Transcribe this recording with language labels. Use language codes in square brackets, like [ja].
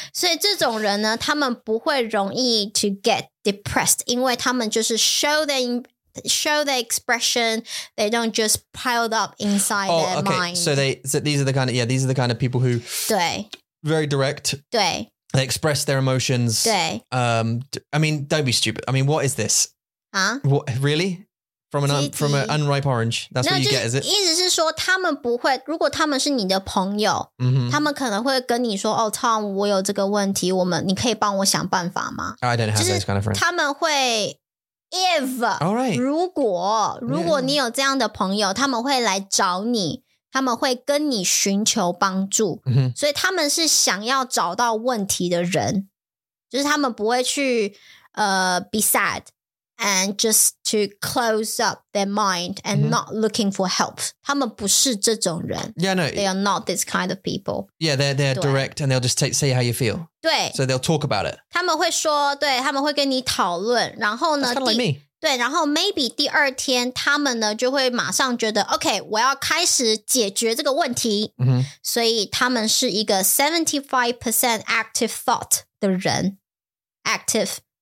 [zh] 所以这种人呢，他们不会容易 to get depressed，因为他们就是 show their expression, they don't just pile up inside their [en] okay. So these are the kind of, these are the kind of people who, [zh] 对, [en] very direct, [zh] 对, [en] they express their emotions. [zh] 对, [en] I mean, don't be stupid. I mean, what is this? Huh? What, really? From an unripe orange. That's what you get, is it? [zh] 意思是说他们不会，如果他们是你的朋友，他们可能会跟你说，哦，Tom，我有这个问题，我们，你可以帮我想办法吗？ [en] I don't have those kind of friends. [zh] 他们会 If, [en] All right. [zh] 如果你有这样的朋友，他们会来找你，他们会跟你寻求帮助，所以他们是想要找到问题的人，就是他们不会去 be sad and just to close up their mind and not looking for help. 他们不是这种人。 [en] Yeah, no. They are not this kind of people. Yeah, they're direct and they'll just see how you feel. [zh] 对。 [en] So they'll talk about it. [zh] 他们会说，对，他们会跟你讨论，然后呢， [en] That's kind of like me. [zh] 对，然后 maybe 第二天他们呢就会马上觉得 OK, 我要开始解决这个问题。所以他们是一个 75% active thought 的人。Active.